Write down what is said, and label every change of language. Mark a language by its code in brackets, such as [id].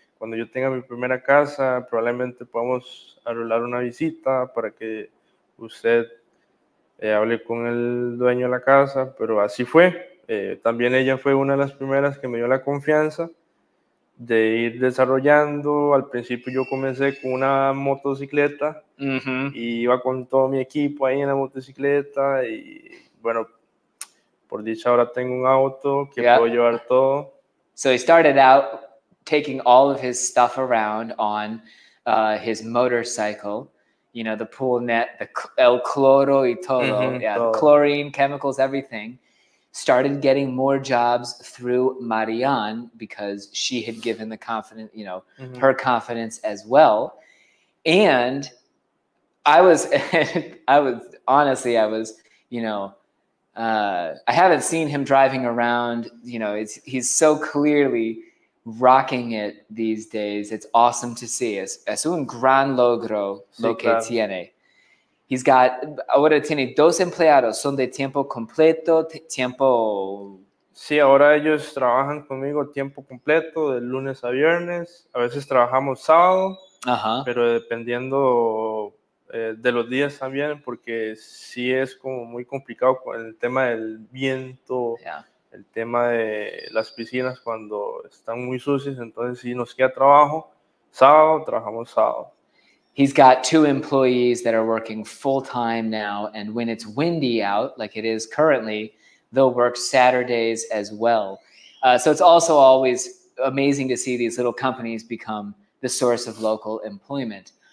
[es] Cuando yo tenga mi primera casa, probablemente podamos arreglar una visita para que usted hable con el dueño de la casa, pero así fue. También ella fue una de las primeras que me dio la confianza. de ir desarrollando. Al principio yo comencé con una motocicleta y iba con todo mi equipo ahí en la motocicleta. Y bueno, por dicha ahora tengo un auto que puedo llevar todo. [en] So he started out taking all of his stuff around on his motorcycle, you know, the pool net, the [es] el cloro y todo, todo. [en] The chlorine, chemicals, everything. Started getting more jobs through Marian because she had given the confidence, you know, her confidence as well. And I was, I was honestly, you know, I haven't seen him driving around, you know, it's, he's so clearly rocking it these days. It's awesome to see. [es] Es un gran logro lo que tiene. [en] He's got, [es] ahora tiene dos empleados, son de tiempo completo, tiempo... Sí, ahora ellos trabajan conmigo tiempo completo, de lunes a viernes. A veces trabajamos sábado, pero dependiendo de los días también, porque sí es como muy complicado con el tema del viento, el tema de las piscinas cuando están muy sucias. Entonces, si nos queda trabajo, sábado, trabajamos sábado. [en] He's got two employees that are working full-time now, and when it's windy out, like it is currently, they'll work Saturdays as well. So it's also always amazing to see these little companies become the source of local employment.